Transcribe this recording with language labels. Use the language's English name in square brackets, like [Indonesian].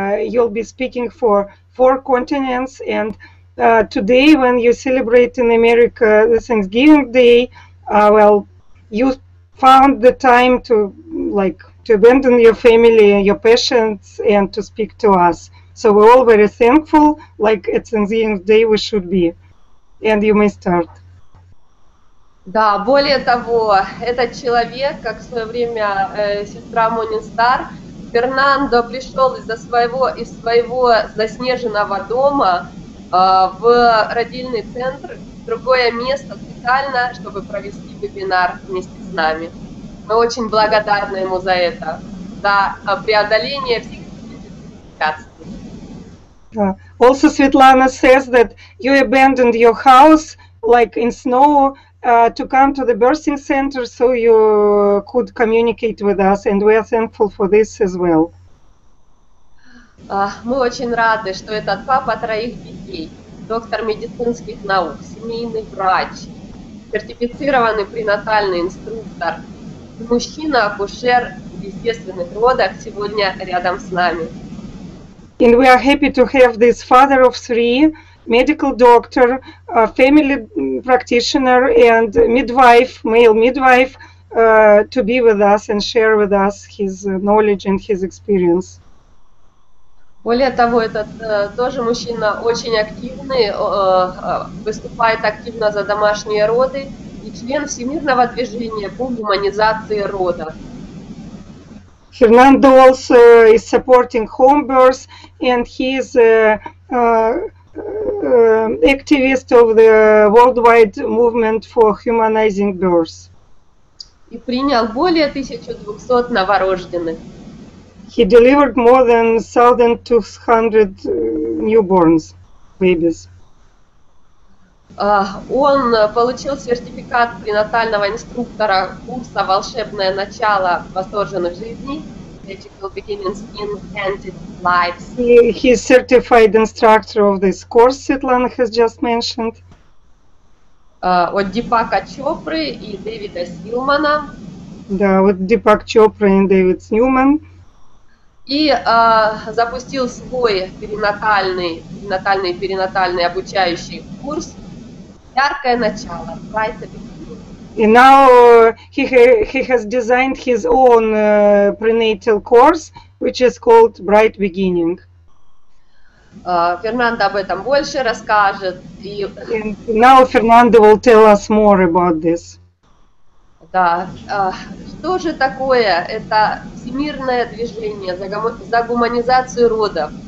[English] You'll be speaking for 4 continents, and today when you celebrate in America the Thanksgiving Day, well, you found the time to like to abandon your family and your passions and to speak to us. So we're all very thankful, like at Thanksgiving Day we should be. And you may start. [Russian] Да, более того, этот человек, как в свое время сестра Монистар, Фернандо пришел из своего заснеженного дома в родильный центр, в другое место специально, чтобы провести вебинар вместе с нами. Мы очень благодарны ему за это, за преодоление всех препятствий. [English] Also, Svetlana says that you abandoned your house, like in snow, to come to the birthing center so you could communicate with us, and we are thankful for this as well. [Russian] Мы очень рады, что этот папа троих детей, доктор медицинских наук, семейный врач, сертифицированный пренатальный инструктор, мужчина-акушер в естественных родах сегодня рядом с нами. [English] And we are happy to have this father of three, medical doctor, family practitioner, and midwife, male midwife, to be with us and share with us his knowledge and his experience. [Russian] Более того, этот тоже мужчина очень активный, выступает активно за домашние роды, и член Всемирного движения по гуманизации рода. [English] Fernando also is supporting home births, and he is activist of the worldwide movement for humanizing births. [Russian] И принял более 1200 новорожденных. [English] He delivered more than 1200 newborns, babies. [Russian] Он получил сертификат пренатального инструктора курса «Волшебное начало восторженных жизней». [English] Magical Beginnings in Planted Lives. He is certified instructor of this course Svetlana has just mentioned. [Russian] От Дипака Чопры и Дэвида Сьюмана. Да, вот Дипак Чопры и Дэвид Сьюман. И запустил свой перинатальный обучающий курс «Яркое начало». [English] And now he has designed his own prenatal course, which is called Bright Beginning. [Russian] Fernando об этом больше расскажет. [English] And now Fernando will tell us more about this. [Russian] Да, что же такое это всемирное движение за гуманизацию родов?